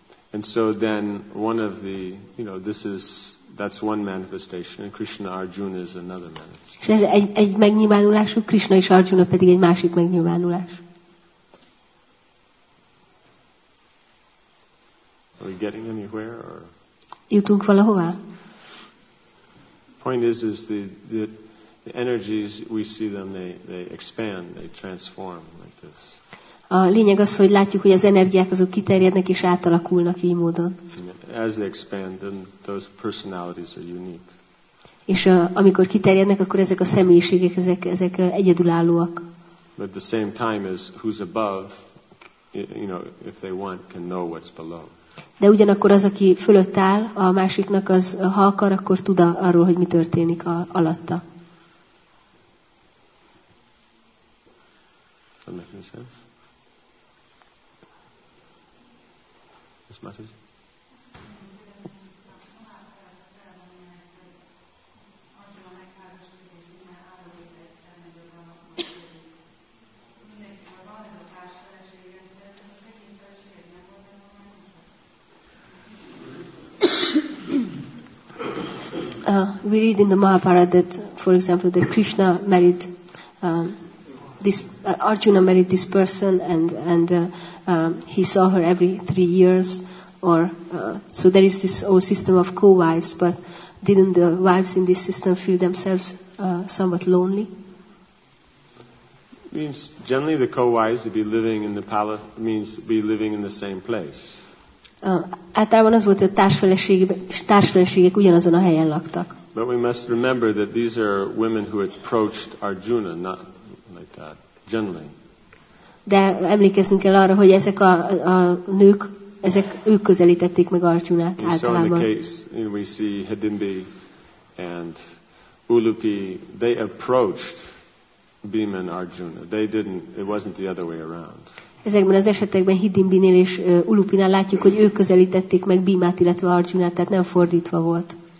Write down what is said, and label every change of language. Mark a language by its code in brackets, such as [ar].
[en] And so then one of the, you know, this is that's one manifestation, and Krishna Arjuna is another manifestation. [hu] És ez egy megnyilvánulású, Krishna és Arjuna pedig egy másik megnyilvánulás. [en] Are we getting anywhere? Or? [hu] Jutunk valahová? [en] Point is the energies we see them they expand, they transform like this. [hu] A lényeg az, hogy látjuk, hogy az energiák azok kiterjednek és átalakulnak így módon. [en] As they expand, then those personalities are unique. [hu] És amikor kiterjednek, akkor ezek a személyiségek ezek egyedülállóak. [en] But at the same time as who's above, you know, if they want, can know what's below. [hu] De ugyanakkor az, aki fölött áll a másiknak, az ha akar, akkor tud arról, hogy mi történik alatta. [en] That make any sense? Yes, Matthew? We read in the Mahabharata that, for example, that Krishna married Arjuna married this person, and he saw her every 3 years. So there is this old system of co-wives. But didn't the wives in this system feel themselves somewhat lonely? Means generally the co-wives would be living in the palace. Means be living in the same place. [hu] Általában az volt, hogy a társfeleségek ugyanazon a helyen laktak. [en] But we must remember that these are women who approached Arjuna, not like that, generally. [hu] De emlékezzünk kell arra, hogy ezek a nők, ezek ők közelítették meg Arjunát általában. [en] So in the case, we see Hedimbi and Ulupi, they approached Bhima and Arjuna. They didn't, it wasn't the other way around. [hu] Ezekben az esetekben Hidimbinél és Ulupinál látjuk, hogy ők közelítették meg Bhimát, illetve Arjunát, tehát nem fordítva volt.